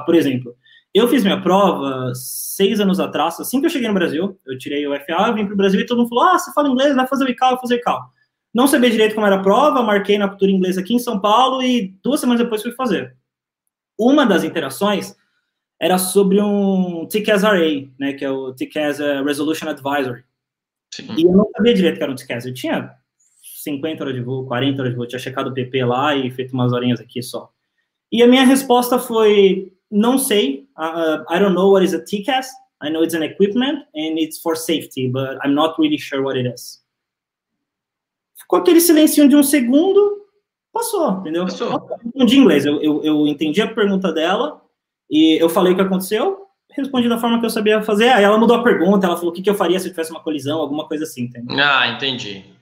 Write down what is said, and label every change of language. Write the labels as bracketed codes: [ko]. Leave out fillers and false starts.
[pt] Por exemplo, eu fiz minha prova 6 anos atrás, assim que eu cheguei no Brasil, eu tirei o FA, eu vim pro Brasil e todo mundo falou, ah, você fala inglês, vai fazer o ICAO, Não sabia direito como era a prova, marquei na cultura inglesa aqui em São Paulo e 2 semanas depois fui fazer. Uma das interações era sobre um TCAS-RA, né, que é o TCAS Resolution Advisory. Sim. E eu não sabia direito que era um TCAS, eu tinha 50 horas de voo, 40 horas de voo, tinha checado o PP lá e feito umas horinhas aqui só. [en] E a minha resposta foi, [pt] não sei, [en] I don't know what is a TCAS, I know it's an equipment and it's for safety, but I'm not really sure what it is. [pt] Ficou aquele silêncio de um segundo, passou, entendeu? Passou. Respondi em inglês, eu entendi a pergunta dela e eu falei o que aconteceu, respondi da forma que eu sabia fazer, aí ela mudou a pergunta, ela falou o que eu faria se eu tivesse uma colisão, alguma coisa assim, entendeu? Ah, entendi.